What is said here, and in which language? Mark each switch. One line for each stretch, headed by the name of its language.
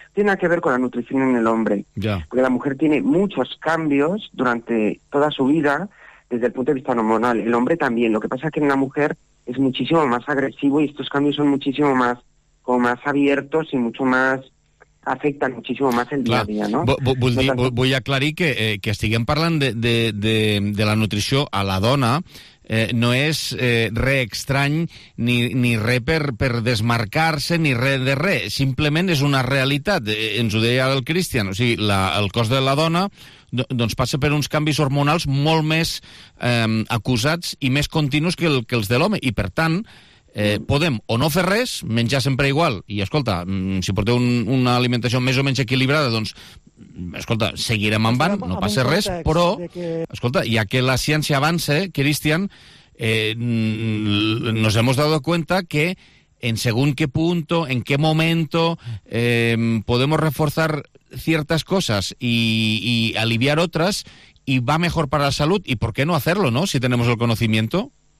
Spanish: Tiene nada que ver con la nutrición en el hombre. Ya. Porque la mujer tiene muchos cambios durante toda su vida desde el punto de vista hormonal. El hombre también. Lo que pasa es que en la mujer es muchísimo más agresivo y estos cambios son muchísimo más, como más abiertos y mucho más... afectan muchísimo más el
Catalan: clar. Dia a dia, no? Vull aclarir que estiguem parlant de la nutrició a la dona, no és re estrany ni re per desmarcar-se ni re de re, simplement és una realitat, ens ho deia el Cristian, o sigui, el cos de la dona doncs passa per uns canvis hormonals molt més acusats i més continus que els de l'home, i per tant... podem o no fer res, menjar sempre igual, i escolta, si porteu una alimentació més o menys equilibrada, doncs, escolta, seguirem en van, no passa res, però, escolta, ja que la ciència avança,
Spanish: Cristian, nos hemos dado cuenta que en según qué punto, en qué momento, podemos reforzar ciertas cosas y aliviar otras, y va mejor para la salud, y por qué no hacerlo, ¿no?, si tenemos el conocimiento.